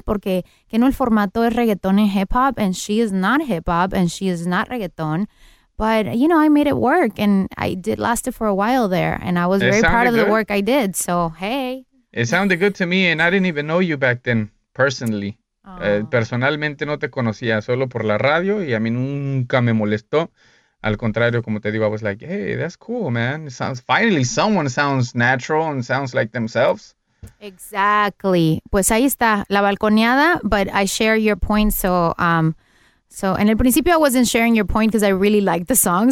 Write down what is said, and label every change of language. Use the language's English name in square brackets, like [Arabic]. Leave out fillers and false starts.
[Spanish] Porque que no el formato es reggaeton y hip hop, [English] and she is not hip hop and she is not reggaeton. But, you know, I made it work and I did last it for a while there. And I was very proud of the work I did. So, hey. It sounded good to me. And I didn't even know you back then, personally. [Spanish] Personalmente no te conocía, solo por la radio, y a mí nunca me molestó. Al contrario, como te digo, [English] I was like, hey, that's cool, man. Finally, someone sounds natural and sounds like themselves. Exactly. [Spanish] Pues ahí está, la balconeada, [English] but I share your point. So [Spanish] en el principio, [English] I wasn't sharing your point because I really liked the song.